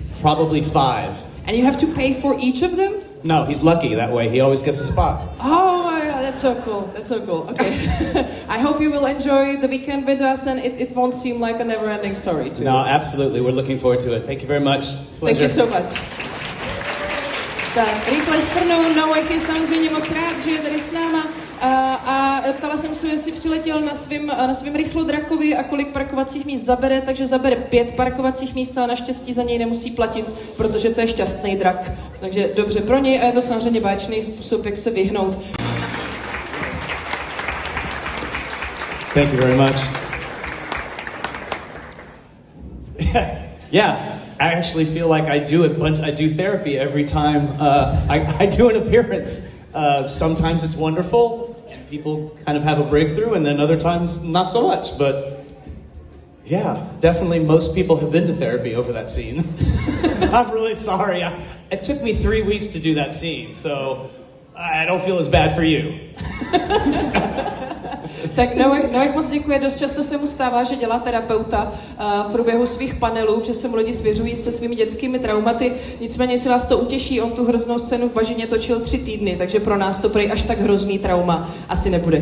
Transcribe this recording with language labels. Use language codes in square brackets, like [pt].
[en] Probably 5. And you have to pay for each of them? No, he's lucky that way. He always gets a spot. Oh, that's so cool. That's so cool. Okay. I hope you will enjoy the weekend with us, and it won't seem like a never-ending story to you. No, absolutely. We're looking forward to it. Thank you very much. Pleasure. Thank you so much. [cs] Tak, rychle shrnu, Noah je samozřejmě moc rád, že je tady s náma. A ptala jsem se, jestli přiletěl na svým rychlodrakovi a kolik parkovacích míst zabere, takže zabere 5 parkovacích míst a naštěstí za něj nemusí platit, protože to je šťastný drak. Takže dobře pro něj a je to samozřejmě báječný způsob, jak se vyhnout. [en] Thank you very much. Yeah. I actually feel like I do a bunch. I do therapy every time I do an appearance. Sometimes it's wonderful, and people kind of have a breakthrough, and then other times not so much. But yeah, definitely most people have been to therapy over that scene. I'm really sorry. It took me 3 weeks to do that scene, so I don't feel as bad for you. [cs] Tak Noah moc děkuje, dost často se mu stává, že dělá terapeuta v průběhu svých panelů, že se mu lidi svěřují se svými dětskými traumaty, nicméně si vás to utěší, on tu hroznou scénu v bažině točil 3 týdny, takže pro nás to prej až tak hrozný trauma asi nebude.